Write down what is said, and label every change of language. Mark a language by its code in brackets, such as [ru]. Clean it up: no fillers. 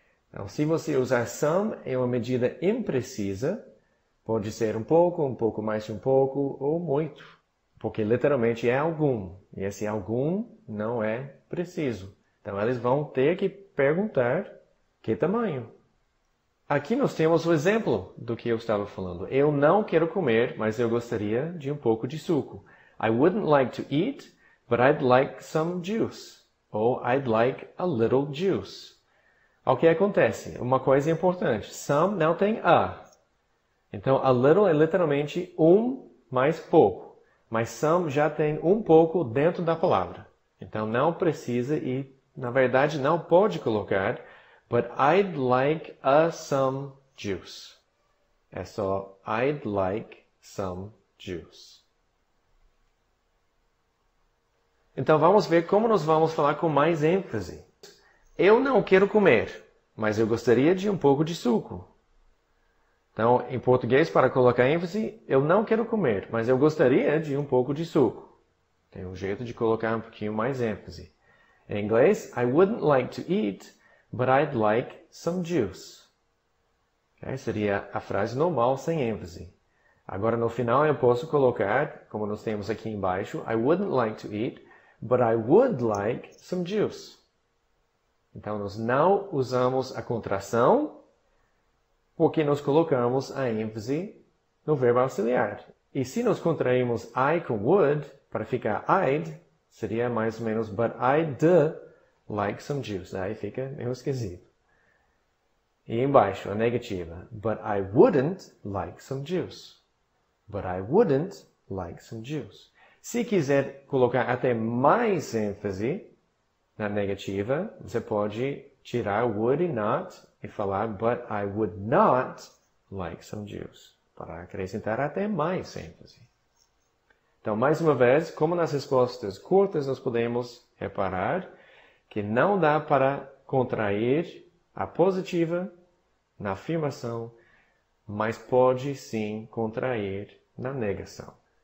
[pt] Então, se você usar some em uma medida imprecisa, pode ser um pouco mais de um pouco ou muito, porque literalmente é algum, e esse algum não é preciso. Então, eles vão ter que perguntar que tamanho. Aqui nós temos o exemplo do que eu estava falando. Eu não quero comer, mas eu gostaria de um pouco de suco. [en] I wouldn't like to eat, but I'd like some juice. [pt] Ou [en] I'd like a little juice. [pt] O que acontece? Uma coisa importante. Some não tem a. Então, a little é literalmente um mais pouco. Mas some já tem um pouco dentro da palavra. Então, não precisa e, na verdade, não pode colocar. [en] But I'd like a some juice. [pt] É só [en] I'd like some juice. [pt] Então vamos ver como nós vamos falar com mais ênfase. Eu não quero comer, mas eu gostaria de um pouco de suco. Então, em português, para colocar ênfase, eu não quero comer, mas eu gostaria de um pouco de suco. Tem um jeito de colocar um pouquinho mais ênfase. Em inglês, [en] I wouldn't like to eat, but I'd like some juice. Okay? [pt] Seria a frase normal sem ênfase. Agora, no final, eu posso colocar, como nós temos aqui embaixo, [en] I wouldn't like to eat, but I would like some juice. [pt] Então, nós não usamos a contração porque nós colocamos a ênfase no verbo auxiliar. E se nós contraímos I com would, para ficar I'd, seria mais ou menos [en] but I'd like some juice. [pt] Aí fica meio esquisito. E embaixo, a negativa. [en] But I wouldn't like some juice. But I wouldn't like some juice. [pt] Se quiser colocar até mais ênfase na negativa, você pode tirar would e not e falar [en] but I would not like some juice, [pt] para acrescentar até mais ênfase. Então, mais uma vez, como nas respostas curtas, nós podemos reparar que não dá para contrair a positiva na afirmação, mas pode sim contrair na negação.